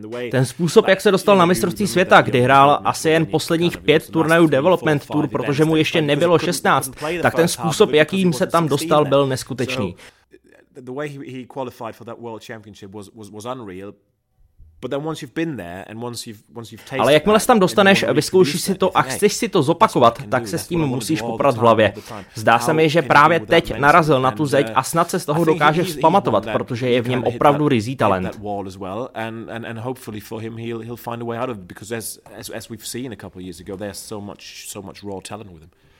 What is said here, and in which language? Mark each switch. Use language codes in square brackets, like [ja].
[cs] Ten způsob, jak se dostal na mistrovství světa, kdy hrál asi jen posledních 5 turnajů Development Tour, protože mu ještě nebylo 16, tak ten způsob, jakým se tam dostal, byl neskutečný. [en] The way he qualified for that world championship was unreal. But then once you've been there and once you've tasted. [cs] Ale jakmile se tam dostaneš, vyzkoušíš si to a chceš si to zopakovat, tak se s tím musíš poprat v hlavě. Zdá se mi, že právě teď narazil na tu zeď a snad se z toho dokáže vzpamatovat, protože je v něm opravdu ryzí talent. [en] And hopefully for him he'll find a way out of it because as we've seen a couple of years ago, there's so much raw talent with him.